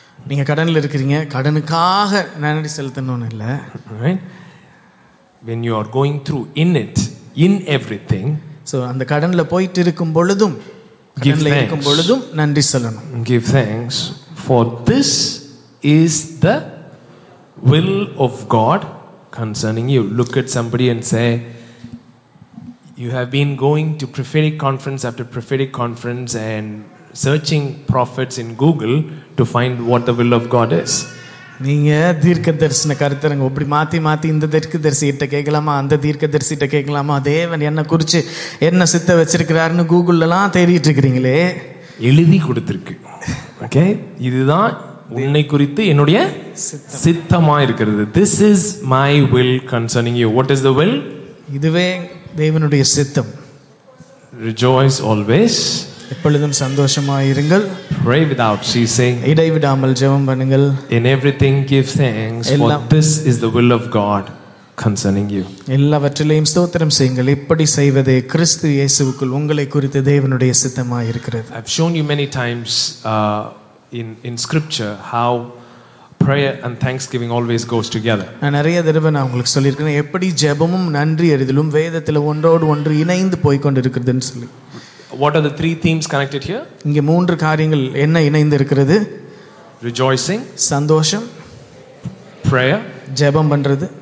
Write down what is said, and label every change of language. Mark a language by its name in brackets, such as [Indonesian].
[Tamil] நீங்க கடன்ல இருக்கீங்க, கடனுக்காக நன்றி செலுத்தணும் இல்ல. [English] Right? When you are going through in it, in everything, [Tamil] so அந்த கடன்ல போயிட்டு இருக்கும் பொழுதும் கடன்ல இருக்கும் பொழுதும் நன்றி செலுத்தணும். [English] Give thanks, for this is the will of God concerning you. Look at somebody and say, you have been going to prophetic conference after prophetic conference and searching prophets in Google to find what the will of God is. [Tamil] நீங்க தீர்க்க தரிசன கருத்தரங்க இப்படி மாத்தி மாத்தி இந்த தீர்க்க தரிசிட்ட கேட்கலாமா, அந்த தீர்க்க தரிசிட்ட கேட்கலாமா, தேவன் என்ன குறிச்சு என்ன சித்த வச்சிருக்கிறாருன்னு கூகுள்ல எல்லாம் தேடிட்டு இருக்கிறீங்களே. எழுதி கொடுத்திருக்கு. ஓகே, இதுதான் உன்னை குறித்து என்னுடைய சித்தமா இருக்கிறது. [English] This is my will concerning you. What is the will? [Tamil] இதுவே தேவனுடைய சித்தம். [English] Rejoice always. [Tamil] எப்பொழுதும் சந்தோஷமா இருங்கள். [English] Pray without ceasing. [Tamil] இடைவிடாமல் ஜெபம் பண்ணுங்கள். [English] In everything give thanks, for this is the will of God concerning you. [Tamil] எல்லாவற்றிலும் ஸ்தோத்திரம் செய்யுங்கள். இப்படி செய்வதே கிறிஸ்து இயேசுவுக்குள் உங்களை குறித்து தேவனுடைய சித்தமா இருக்கிறது. [English] I've shown you many times in scripture how prayer and thanksgiving always goes together. [Tamil] நான் நிறைய தடவை நான் உங்களுக்கு சொல்லியிருக்கேன் எப்படி ஜெபமும் நன்றி அறிதலும் வேதத்தில் ஒன்றோடு ஒன்று இணைந்து போய் கொண்டிருக்கிறதுன்னு சொல்லி. [English] What are the 3 connected here? [Tamil] இங்கே 3 காரியங்கள் என்ன இணைந்து இருக்கிறது? [English] Rejoicing, [Tamil] சந்தோஷம். [English] Prayer, [Tamil] ஜெபம் பண்றது.